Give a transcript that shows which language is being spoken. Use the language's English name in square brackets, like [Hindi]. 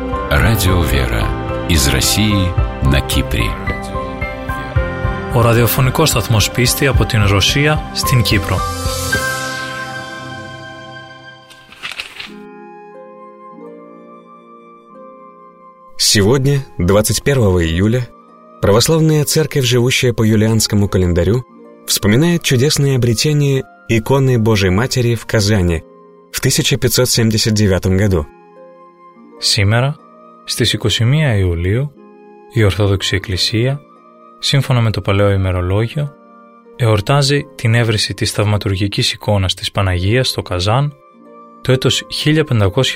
[Russian] Радио «Вера» из России на Кипре. [Greek] Ο ραδιοφωνικός σταθμός πίστη από την Ρωσία στην Κύπρο. [Russian] Сегодня, 21 июля, православная церковь, живущая по юлианскому календарю, вспоминает чудесное обретение иконы Божией Матери в Казани в 1579 году. Сегодня, [Greek] στις 21 Ιουλίου, η Ορθόδοξη Εκκλησία, σύμφωνα με το παλαιό ημερολόγιο, εορτάζει την έβριση της θαυματουργικής εικόνας της Παναγίας στο Καζάν το έτος 1579.